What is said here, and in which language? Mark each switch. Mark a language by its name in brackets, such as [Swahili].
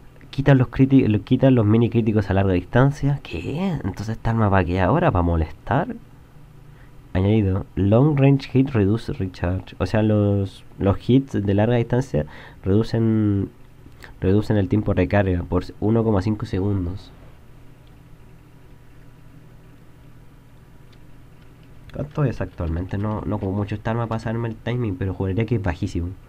[Spanish] Quitan los mini críticos a larga distancia. ¿Qué? ¿Entonces esta arma va aquí ahora? ¿Para molestar? Añadido. [English] Long range hit reduce recharge. [Spanish] O sea, los hits de larga distancia reducen el tiempo de recarga por 1,5 segundos. ¿Cuánto es actualmente? No como mucho esta arma para saberme el timing, pero juraría que es bajísimo.